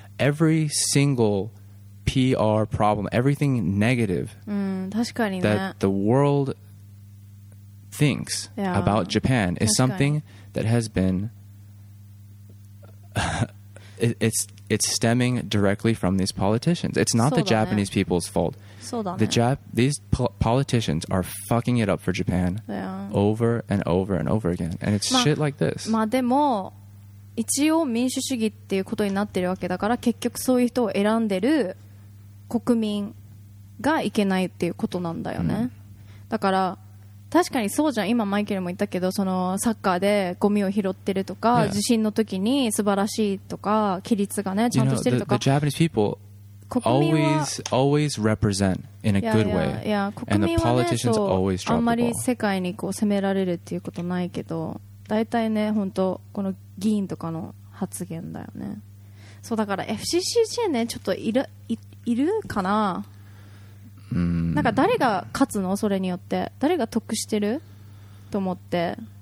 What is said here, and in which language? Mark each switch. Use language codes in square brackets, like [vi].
[en] Every single PR problem, everything negative that the world thinks about Japan is something that has been it's stemming directly from these politicians. It's not the Japanese people's fault. These politicians are fucking it up for Japan over and over and over again. And it's shit like this. [ja] まあでも一応民主主義っていうことになってるわけだから、結局そういう人を選んでる国民がいけないっていうことなんだよね。だから確かにそうじゃん。今マイケルも言ったけど、そのサッカーでゴミを拾ってるとか、地震の時に素晴らしいとか、規律がねちゃんとしてるとか。 [en] The Japanese people always represent in a good way. Yeah, yeah. [ja] 国民はね、そうあんまり世界にこう責められるっていうことないけど、大体ね、本当この議員とかの発言だよね。そうだから FCCJ ね、ちょっといるかな。なんか誰が勝つの、それによって誰が得してると思って。